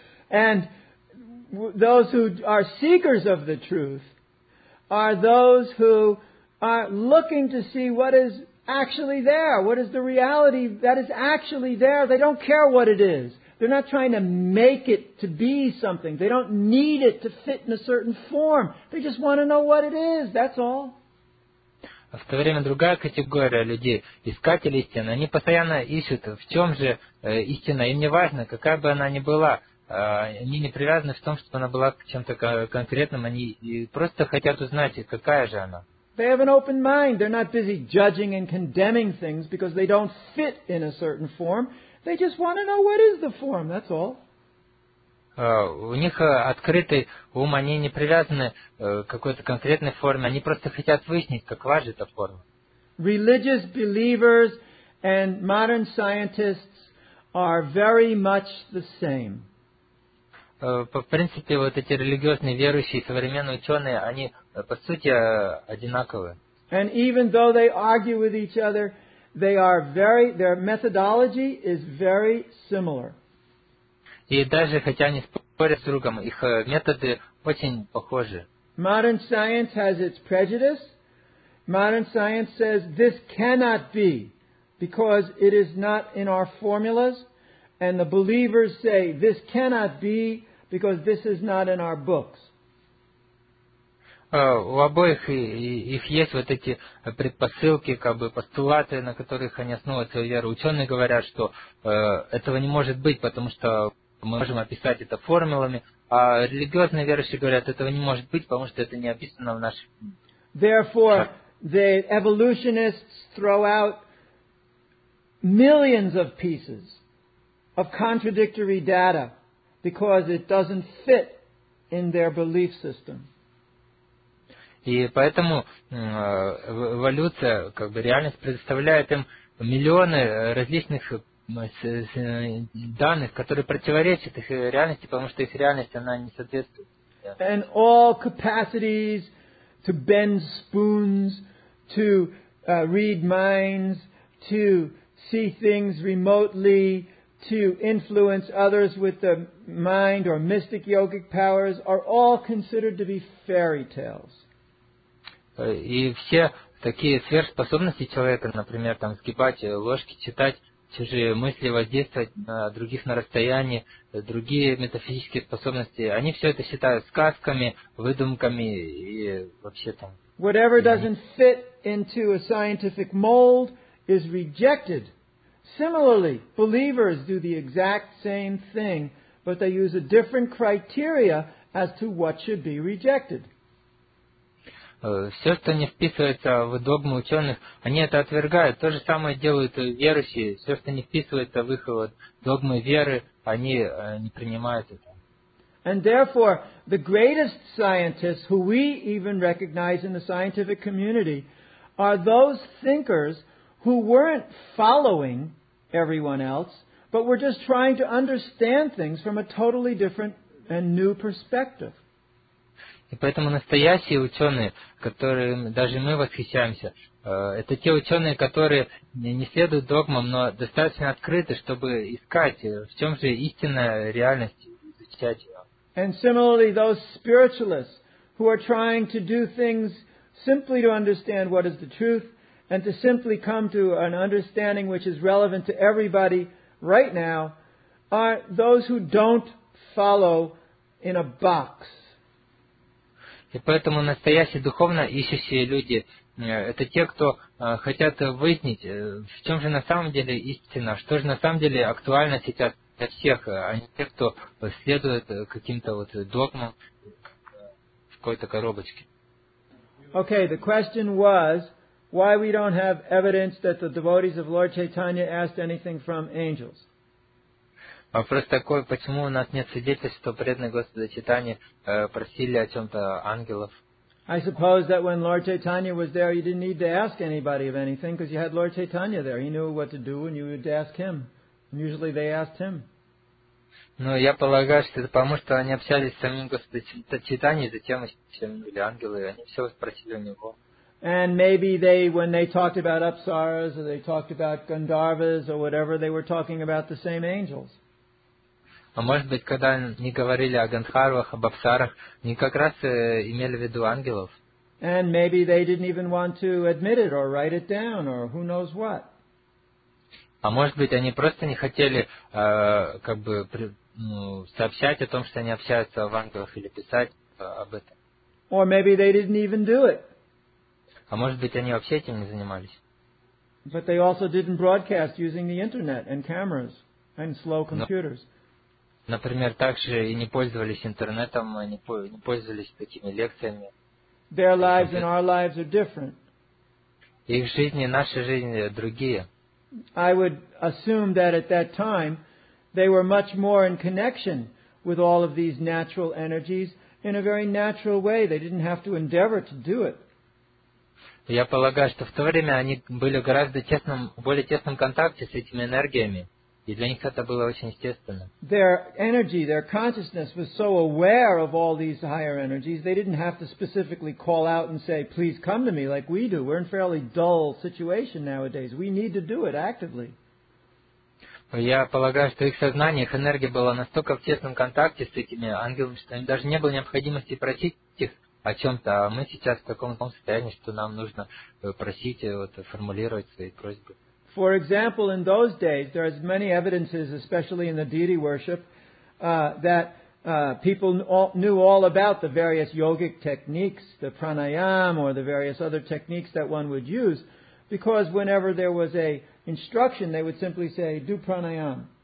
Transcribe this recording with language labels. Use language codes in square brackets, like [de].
[en] And those who are seekers of the truth are those who are looking to see what is actually there, what is the reality that is actually there. They don't care what it is. They're not trying to make it to be something. They don't need it to fit in a certain form. They just want to know what it is. That's all. [ru] В то время другая категория людей, искатели истины, они постоянно ищут, в чем же истина. Им не важно, какая бы она ни была. Они не привязаны в том, чтобы она была к чем-то конкретным. Они просто хотят узнать, какая же она. [en] They have an open mind. They're not busy judging and condemning things because they don't fit in a certain form. They just want to know what is the form. That's all. [ru] У них открытый ум. Они не привязаны к какой-то конкретной форме. Они просто хотят выяснить, какова же эта форма. [en] Religious believers and modern scientists are very much the same. [ru] По принципе, вот эти религиозные верующие и современные ученые, они по сути одинаковы. [en] And even though they argue with each other, their methodology is very similar. [ru] И даже хотя они спорят с другом, их методы очень похожи. [en] Modern science has its prejudice. Modern science says this cannot be, because it is not in our formulas. And the believers say this cannot be, because this is not in our books. [ru] У обоих их есть вот эти предпосылки, как бы постулаты, на которых они основывают свою веру. Ученые говорят, что этого не может быть, потому что мы можем описать это формулами, а религиозные верующие говорят, этого не может быть, потому что это не описано в нашей... [en] Therefore, the evolutionists throw out millions of pieces of contradictory data because it doesn't fit in their belief system. [ru] И поэтому эволюция, как бы реальность, предоставляет им миллионы различных данных, которые противоречат их реальности, потому что их реальность, она не соответствует. [en] And all capacities to bend spoons, to read minds, to see things remotely, to influence others with the mind or mystic yogic powers are all considered to be fairy tales. [ru] И все такие сверхспособности человека, например, там сгибать ложки, читать чужие мысли, воздействовать на других на расстоянии, другие метафизические способности, они все это считают сказками, выдумками и вообще там. [en] Whatever doesn't fit into a scientific mold is rejected. Similarly, believers do the exact same thing, but they use a different criteria as to what should be rejected. [ru] Все, что не вписывается в догму ученых, они это отвергают. То же самое делают верующие. Все, что не вписывается в их вот догмы веры, они не принимают это. [en] And therefore, the greatest scientists, who we even recognize in the scientific community, are those thinkers who weren't following everyone else, but were just trying to understand things from a totally different and new perspective. [ru] И поэтому настоящие ученые, которыми даже мы восхищаемся, это те ученые, которые не следуют догмам, но достаточно открыты, чтобы искать, в чем же истинная реальность, изучать ее. [en] And similarly, those spiritualists who are trying to do things simply to understand what is the truth and to simply come to an understanding which is relevant to everybody right now are those who don't follow in a box. [ru] И поэтому настоящие духовно ищущие люди это те, кто хотят выяснить, в чем же на самом деле истина, что же на самом деле актуально сейчас для всех, а не те, кто следует каким-то вот догмам в какой-то коробочке. [en] Okay, the question was why we don't have evidence that the devotees of Lord Chaitanya asked anything from angels. [ru] Вопрос такой, почему у нас нет свидетельств, что преданные Господа Чайтанья просили о чем-то ангелов? [en] I suppose that when Lord Chaitanya was there, you didn't need to ask anybody of anything, because you had Lord Chaitanya there. He knew what to do, and you would ask him. And usually they asked him. [ru] Ну, я полагаю, что это потому, что они общались с самим Господом Чайтаньей, затем еще были ангелы, и они все спросили у него. [en] And maybe they, when they talked about Apsaras, or they talked about Gandharvas, or whatever, they were talking about the same angels. [ru] А может быть, когда они говорили о Гандхарвах, об Апсарах, они как раз имели в виду ангелов. [en] And maybe they didn't even want to admit it or write it down or who knows what. [ru] А может быть, они просто не хотели как бы сообщать о том, что они общаются в ангелах или писать об этом. [en] Or maybe they didn't even do it. [ru] А может быть, они вообще этим не занимались. [en] But they also didn't broadcast using the internet and cameras and slow computers. [ru] Например, также и не пользовались интернетом, не пользовались такими лекциями. [en] Their lives and our lives are different. [ru] Их жизни и наши жизни другие. [en] I would assume that at that time they were much more in connection with all of these natural energies in a very natural way. They didn't have to endeavor to do it. [ru] Я полагаю, что в то время они были гораздо тесном, более тесном контакте с этими энергиями. И для них это было очень естественно. [en] Their energy, their consciousness was so aware of all these higher energies, they didn't have to specifically call out and say, please come to me, like we do. We're in a fairly dull situation nowadays. We need to do it actively. [ru] Я полагаю, что их сознание, их энергия была настолько в тесном контакте с этими ангелами, что им даже не было необходимости просить их о чем-то. А мы сейчас в таком состоянии, что нам нужно просить, вот, формулировать свои просьбы. [en] For example, in those days, there are many evidences, especially in the deity worship, that People knew all about the various yogic techniques, the pranayama or the various other techniques that one would use, because whenever there was a instruction, they would simply say, do pranayama.